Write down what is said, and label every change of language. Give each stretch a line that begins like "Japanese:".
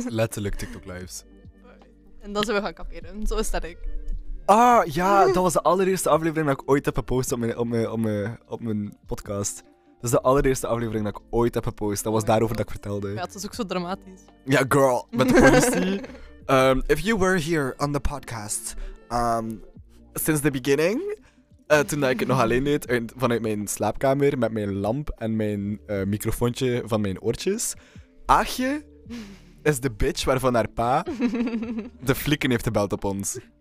Dutch: Letterlijk TikTok lives. En dan zijn we gaan kamperen. Zo is dat ik. Ah, ja. Dat was de allereerste aflevering dat ik ooit heb gepost op mijn podcast. Dat is de allereerste aflevering dat ik ooit heb gepost. Dat was daarover dat ik vertelde. Ja, het was ook zo dramatisch. Ja, girl. Met de politie.
English: if you were here on the podcast, since the beginning,
Dutch: Toen dat ik het nog alleen deed vanuit mijn slaapkamer met mijn lamp en mijn microfoontje van mijn oortjes. Aagje is de bitch waarvan haar pa de flikken heeft gebeld op ons.